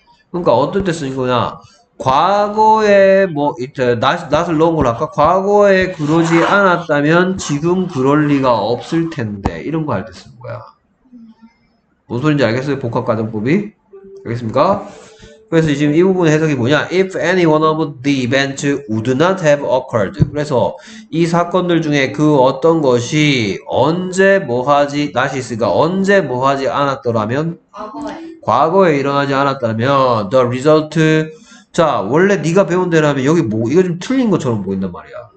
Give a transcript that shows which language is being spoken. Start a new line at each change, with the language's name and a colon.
Korean: 그러니까 어떤 때 쓰인 거냐? 과거에 뭐 이제 not을 넣은 걸 할까? 과거에 그러지 않았다면 지금 그럴 리가 없을 텐데 이런 거할때 쓰는 거야. 무슨 소린지 알겠어요? 복합 가정법이? 알겠습니까? 그래서 지금 이 부분의 해석이 뭐냐?
English: If any one of the events would not have occurred.
Korean: 그래서 이 사건들 중에 그 어떤 것이 언제 뭐 하지, 나시스가 언제 뭐 하지 않았더라면, 과거에 일어나지 않았다면,
English: the result.
Korean: 자, 원래 네가 배운 대로라면 여기 뭐, 이거 좀 틀린 것처럼 보인단 말이야.